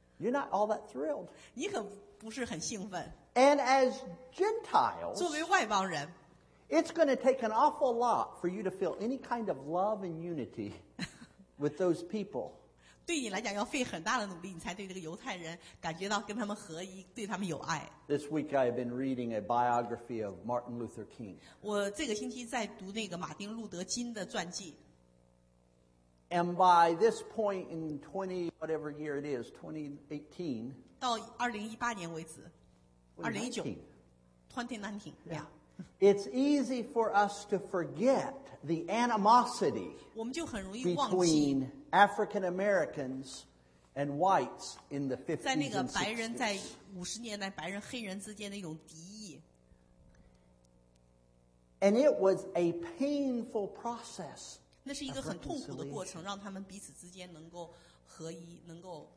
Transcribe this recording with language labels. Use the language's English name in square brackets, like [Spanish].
[English] You're not all that thrilled. [Chinese] 你可不是很兴奋。 [English] And as Gentiles, [Chinese] 作为外邦人 [English] ，it's going to take an awful lot for you to feel any kind of love and unity with those people. [Chinese] 对你来讲，要费很大的努力，你才对这个犹太人感觉到跟他们合一，对他们有爱。 [English] This week I have been reading a biography of Martin Luther King. [Chinese] 我这个星期在读那个马丁·路德·金的传记。 [English] And by this point in 20 whatever year it is, 2018. [Chinese] 到2018年为止。2019. Yeah. [English] It's easy for us to forget the animosity between African Americans. And whites in the 50s and 60s. [Chinese] 在那个白人在五十年代白人黑人之间的一种敌意。 [English] And it was a painful process. [Chinese] 那是一个很痛苦的过程，让他们彼此之间能够合一，能够。